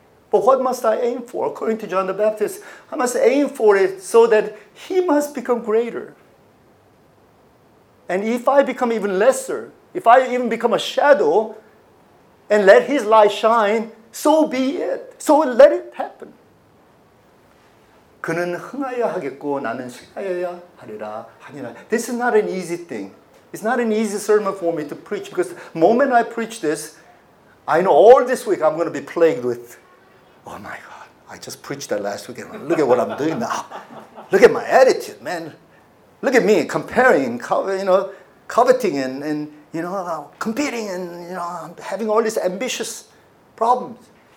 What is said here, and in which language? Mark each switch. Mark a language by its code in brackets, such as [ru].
[en] But what must I aim for? According to John the Baptist, I must aim for it so that He must become greater. And if I become even lesser, if I even become a shadow and let His light shine, so be it. So let it happen. [ko] 그는 흥하여 하겠고 나는 실하여야 하리라 하니라. [en] This is not an easy thing. It's not an easy sermon for me to preach, because the moment I preach this, I know all this week I'm going to be plagued with, oh my God, I just preached that last weekend. Look at what I'm doing now. Look at my attitude, man. Look at me comparing, coveting and you know, competing and you know, having all these ambitious problems.